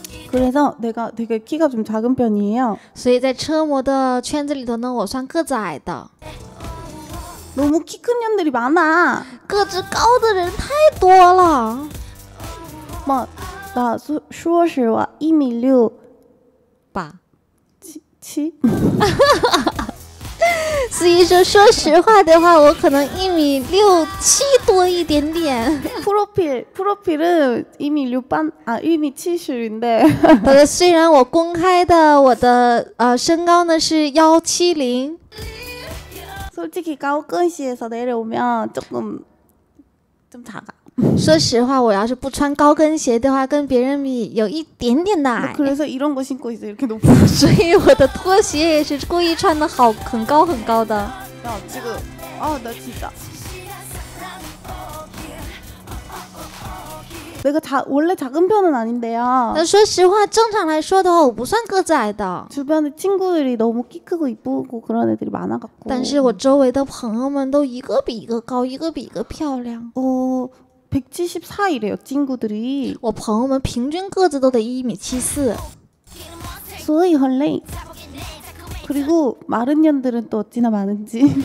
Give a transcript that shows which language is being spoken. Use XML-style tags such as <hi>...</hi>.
<ko>그래서내가되게키가좀작은편이에요</ko> <zh>所以在车模的圈子里头呢我算个子矮的</zh> <ko>너무키큰년들이많아</ko> <zh>个子高的人太多了 뭐나说实话一米六八七所以说说实话的话我可能一米六七多一点点</zh> <ko>프로필프로필은</ko> <zh>一米六八啊一米七十</zh> <ko>인데</ko> <zh>虽然我公开的我的身高呢是幺七零</zh> <ko>솔직히高跟鞋에서내려오면조금좀작아</ko> <zh>说实话，我要是不穿高跟鞋的话，跟别人比有一点点的矮。</zh> <ko>그래서이런거신고있어요이렇게높</ko> <zh>은所以我的拖鞋也是故意穿的好很高很高的。</zh> <ko>나지금아나진짜내가다원래작은편은아닌데요</ko> <zh>那说实话，正常来说的话，我不算个子矮的。</zh> <ko>주변에친구들이너무키크고이쁘고그런애들이많아갖고</ko> <zh>但是我周围的朋友们都一个比一个高，一个比一个漂亮。</zh> <ko>어174이래요친구들이</ko> <zh>我朋友们平均个子都得1.74 所以很累</zh> <ko>그리고마른년들은또어찌나많은지</ko>